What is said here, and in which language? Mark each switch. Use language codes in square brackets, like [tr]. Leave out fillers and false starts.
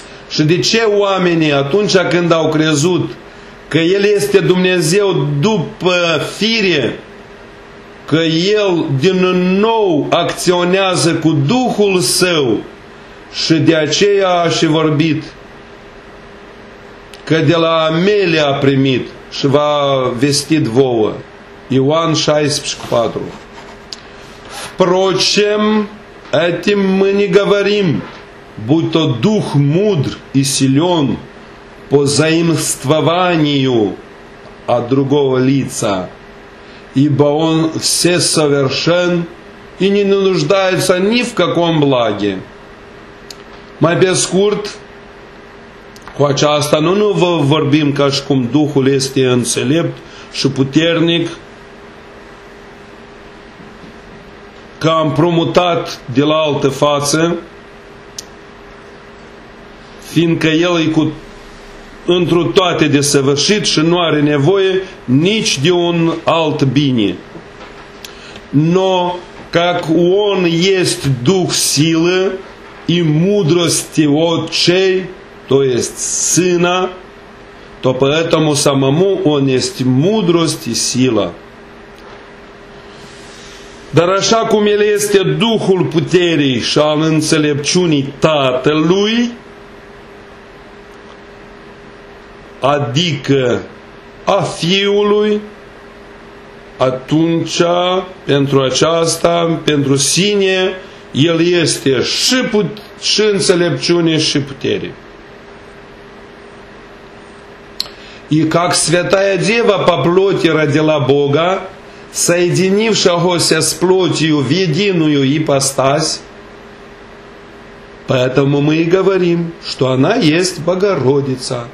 [ro] Și de ce oamenii atunci când au crezut că El este Dumnezeu după fire, că El din nou acționează cu Duhul Său și de aceea a și vorbit că de la mele a primit și v-a vestit vouă. Ioan 16:4. [ru] Впрочем, этим мы не говорим, будто дух мудр и силен по заимствованию от другого лица, ибо он всесовершен и не нуждается ни в каком благе. [ro] Mai pe scurt, cu aceasta nu vă vorbim ca și cum Duhul este înțelept și puternic, că am promutat de la altă față, fiindcă El e cu întru toate desăvârșit și nu are nevoie nici de un alt bine. [ru] Но, как Он есть Дух силы и мудрости Отчей, то есть Сына, то поэтому самому Он есть мудрость и сила. [ro] Dar așa cum El este Duhul puterii și al înțelepciunii Tatălui, adică a Fiului, atunci pentru aceasta, pentru sine, El este și, și înțelepciune și putere. [ru] И как святая дева по плоти родила Бога, соединившегося с плотью в единую ипостась, поэтому мы и говорим, что она есть Богородица.